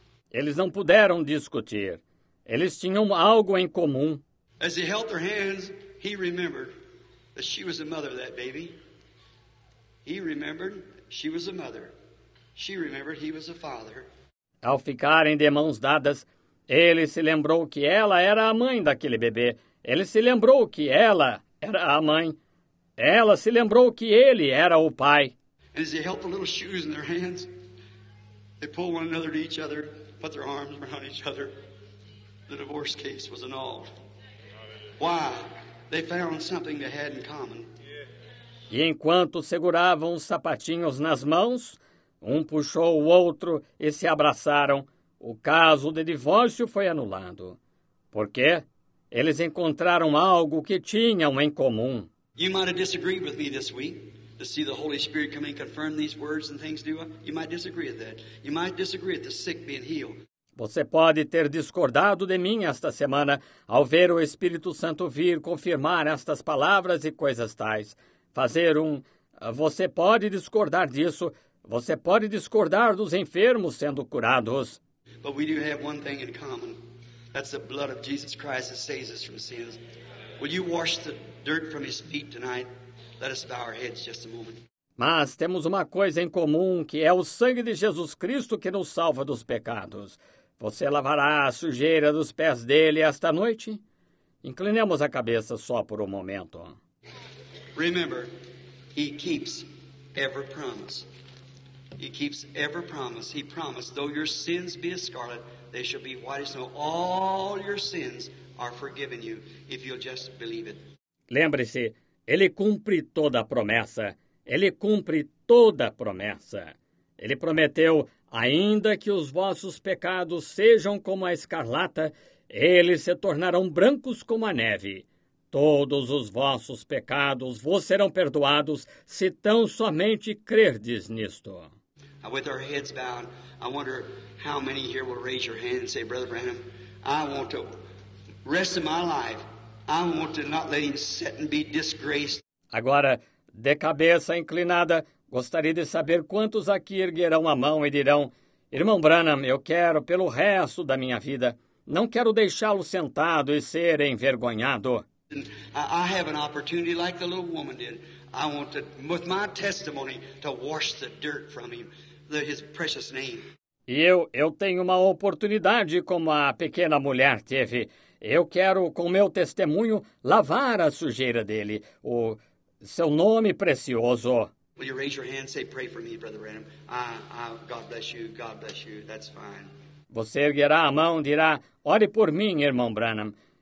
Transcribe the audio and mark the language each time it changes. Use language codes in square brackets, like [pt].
[pt] Eles não puderam discutir. Eles tinham algo em comum. [en] As he held her hands, he remembered that she was the mother of that baby. He remembered she was a mother. She remembered he was a father. [pt] Ao ficarem de mãos dadas, ele se lembrou que ela era a mãe daquele bebê. Ele se lembrou que ela era a mãe. Ela se lembrou que ele era o pai. [en] As he held the little shoes in their hands, they pulled one another to each other, put their arms around each other. The divorce case was annulled. Why? They found something they had in common. [pt] E enquanto seguravam os sapatinhos nas mãos, um puxou o outro e se abraçaram. O caso de divórcio foi anulado. Porque eles encontraram algo que tinham em comum. [en] You might have disagreed with me this week. To see the Holy Spirit come and confirm these words and things, do you might disagree with that. You might disagree with the sick being healed. [pt] Você pode ter discordado de mim esta semana ao ver o Espírito Santo vir confirmar estas palavras e coisas tais. Fazer você pode discordar disso. Você pode discordar dos enfermos sendo curados. [en] But we do have one thing in common. That's the blood of Jesus Christ that saves us from sins. Will you wash the dirt from his feet tonight? Let us bow our heads just a moment. [pt] Mas temos uma coisa em comum, que é o sangue de Jesus Cristo que nos salva dos pecados. Você lavará a sujeira dos pés dele esta noite? Inclinemos a cabeça só por um momento. [en] Remember, he keeps every promise. He keeps every promise. He promised, though your sins be as scarlet, they shall be white as snow. All your sins are forgiven you, if you'll just believe it. [pt] Lembre-se, ele cumpre toda a promessa. Ele cumpre toda a promessa. Ele prometeu, ainda que os vossos pecados sejam como a escarlata, eles se tornarão brancos como a neve. Todos os vossos pecados vos serão perdoados, se tão somente crerdes nisto. [en] With our heads bowed, I wonder how many here will raise your hand and say, Brother Branham, I want to rest of my life, I want to not let him sit and be disgraced. [pt] Agora, de cabeça inclinada, gostaria de saber quantos aqui erguerão a mão e dirão: Irmão Branham, eu quero pelo resto da minha vida. Não quero deixá-lo sentado e ser envergonhado. [en] I have an opportunity like the little woman did. I want to, with my testimony, to wash the dirt from him, his precious name. [pt] E eu tenho uma oportunidade como a pequena mulher teve. Eu quero, com meu testemunho, lavar a sujeira dele, o seu nome precioso. [en] Will you raise your hand and say, pray for me, Brother Branham? God bless you, God bless you, that's fine. [pt] Você erguerá a mão e dirá, ore por mim, irmão Branham.